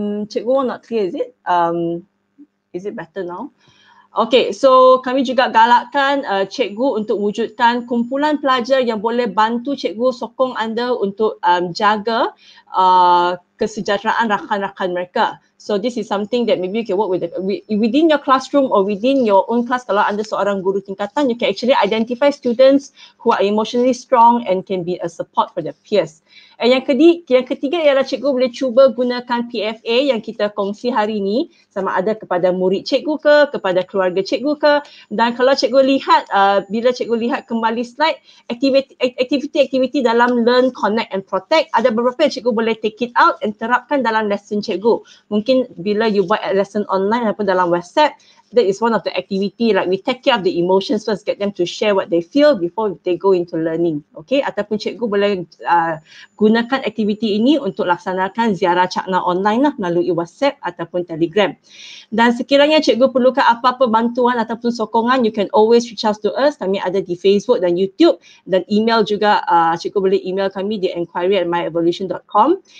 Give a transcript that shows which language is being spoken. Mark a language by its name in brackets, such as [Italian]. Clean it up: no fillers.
[English] Cikgu not clear is it? Is it better now? [Malay] Okay, so kami juga galakkan cikgu untuk wujudkan kumpulan pelajar yang boleh bantu cikgu sokong anda untuk jaga kesejahteraan rakan-rakan mereka. [English] So this is something that maybe you can work with within your classroom or within your own class. [Malay] Kalau anda seorang guru tingkatan, [English] you can actually identify students who are emotionally strong and can be a support for their peers. [Malay] And yang ketiga ialah cikgu boleh cuba gunakan PFA yang kita kongsi hari ini sama ada kepada murid cikgu ke, kepada keluarga cikgu ke. Dan kalau cikgu lihat, bila cikgu lihat kembali slide, aktiviti-aktiviti dalam learn, connect and protect, ada beberapa yang cikgu boleh [English] take it out and [Malay] terapkan dalam lesson cikgu. Mungkin bila [English] you [Malay] buat [English] lesson online [Malay] ataupun dalam [English] WhatsApp, that is one of the activity like we take care of the emotions first, get them to share what they feel before they go into learning. [Malay] Okay, ataupun cikgu boleh gunakan aktiviti ini untuk laksanakan ziarah cakna online lah melalui WhatsApp ataupun Telegram. Dan sekiranya cikgu perlukan apa-apa bantuan ataupun sokongan, [English] you can always reach out to us. [Malay] Kami ada di Facebook dan YouTube dan email juga, cikgu boleh email kami di enquiry@myevolution.com.